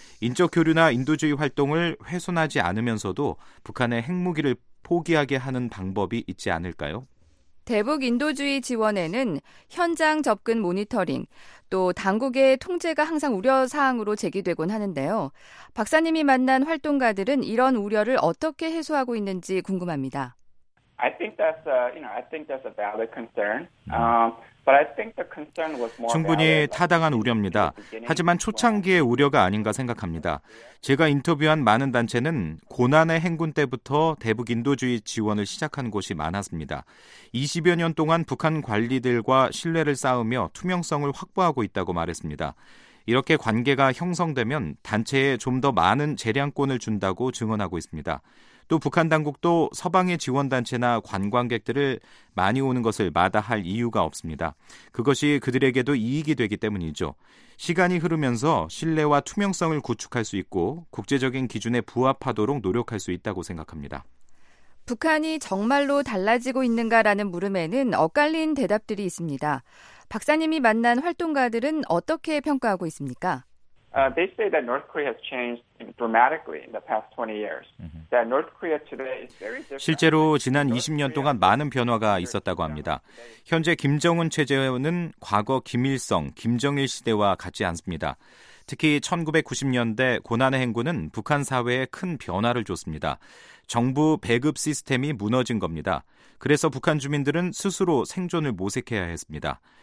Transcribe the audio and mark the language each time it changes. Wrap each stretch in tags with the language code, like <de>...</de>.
<ko>인적 교류나 인도주의 활동을 훼손하지 않으면서도 북한의 핵무기를 포기하게 하는 방법이 있지 않을까요? 대북 인도주의 지원에는 현장 접근 모니터링, 또 당국의 통제가 항상 우려사항으로 제기되곤 하는데요. 박사님이 만난 활동가들은 이런 우려를 어떻게 해소하고 있는지 궁금합니다.</ko> <en>I think that's a, you know, I think that's a valid concern. But I think the concern was more</en> <ko>충분히 타당한 우려입니다. 하지만 초창기의 우려가 아닌가 생각합니다. 제가 인터뷰한 많은 단체는 고난의 행군 때부터 대북 인도주의 지원을 시작한 곳이 많았습니다. 20여 년 동안 북한 관리들과 신뢰를 쌓으며 투명성을 확보하고 있다고 말했습니다. 이렇게 관계가 형성되면 단체에 좀 더 많은 재량권을 준다고 증언하고 있습니다. 또 북한 당국도 서방의 지원단체나 관광객들을 많이 오는 것을 마다할 이유가 없습니다. 그것이 그들에게도 이익이 되기 때문이죠. 시간이 흐르면서 신뢰와 투명성을 구축할 수 있고 국제적인 기준에 부합하도록 노력할 수 있다고 생각합니다. 북한이 정말로 달라지고 있는가라는 물음에는 엇갈린 대답들이 있습니다. 박사님이 만난 활동가들은 어떻게 평가하고 있습니까?</ko> <en>They say that North Korea has changed dramatically in the past 20 years. That North Korea today is very different.</en> <ko>실제로 지난 20년 동안 많은 변화가 있었다고 합니다. 현재 김정은 체제는 과거 김일성, 김정일 시대와 같지 않습니다. 특히 1990년대 고난의 행군은 북한 사회에 큰 변화를 줬습니다. 정부 배급 시스템이 무너진 겁니다. 그래서 북한 주민들은 스스로 생존을 모색해야 했습니다.</ko>